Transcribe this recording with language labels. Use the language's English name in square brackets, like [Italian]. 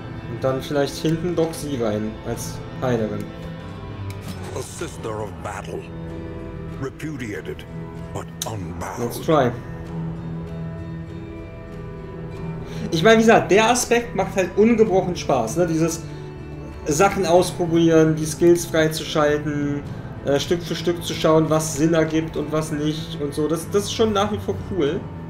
[German] Und dann vielleicht hinten doch sie rein als Heilerin. [English] A sister of battle. Repudiated, but unbound. Let's try. [German] Ich meine, wie gesagt, der Aspekt macht halt ungebrochen Spaß, ne? Dieses Sachen ausprobieren, die Skills freizuschalten, Stück für Stück zu schauen, was Sinn ergibt und was nicht und so. Das ist schon nach wie vor cool.